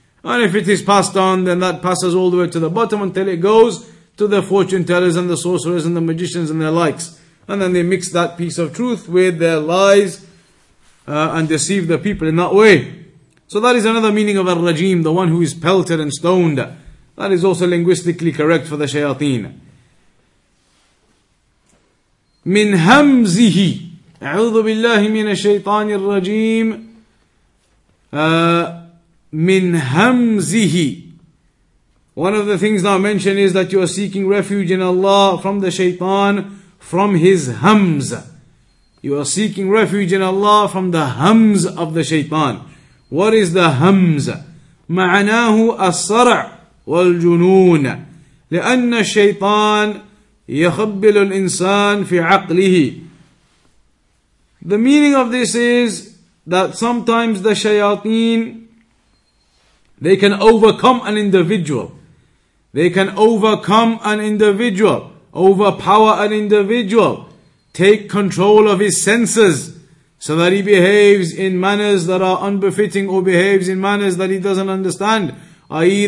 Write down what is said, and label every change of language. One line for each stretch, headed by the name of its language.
English: And if it is passed on, then that passes all the way to the bottom until it goes to the fortune tellers and the sorcerers and the magicians and their likes. And then they mix that piece of truth with their lies and deceive the people in that way. So that is another meaning of al-rajim, the one who is pelted and stoned. That is also linguistically correct for the shayateen.
Arabic: من همزه أعوذ بالله من الشيطان الرجيم من همزه.
English: One of the things that I mentioned is that you are seeking refuge in Allah from the shaytan, from his hams. You are seeking refuge in Allah from the hams of the shaytan. What is the hams?
Arabic: معناه الصرع والجنون. لأن الشيطان يخبل الإنسان في عقله.
English: The meaning of this is that sometimes the shayateen, They can overcome an individual. They can overcome an individual, overpower an individual, take control of his senses, so that he behaves in manners that are unbefitting, or behaves in manners that he doesn't understand, i.e.